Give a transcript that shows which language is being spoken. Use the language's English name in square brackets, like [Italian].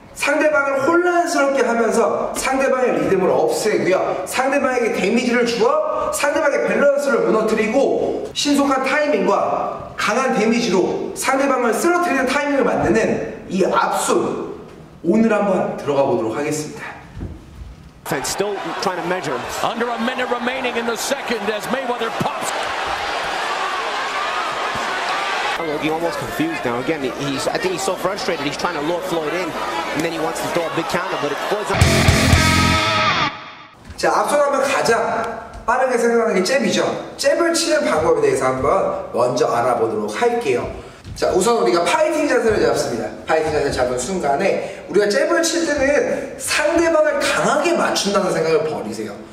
[Korean] 상대방을 혼란스럽게 하면서 상대방의 리듬을 없애고요, 상대방에게 데미지를 주어 상대방의 밸런스를 무너뜨리고 신속한 타이밍과 강한 데미지로 상대방을 쓰러뜨리는 타이밍을 만드는 이 앞손, 오늘 한번 들어가 보도록 하겠습니다. [English] Still trying to measure. Under a minute remaining in the second as Mayweather pops. Logie almost confused now. Again, I think he's so frustrated. He's trying to lure Floyd in, and then he wants to throw a big counter, but it goes up. [Korean] 자, 앞손 하면 가장 빠르게 생각하는 게 잽이죠. 잽을 치는 방법에 대해서 한번 먼저 알아보도록 할게요. 자, 우선 우리가 파이팅 자세를 잡습니다. 파이팅 자세를 잡은 순간에 우리가 잽을 칠 때는 상대방을 강하게 맞춘다는 생각을 버리세요.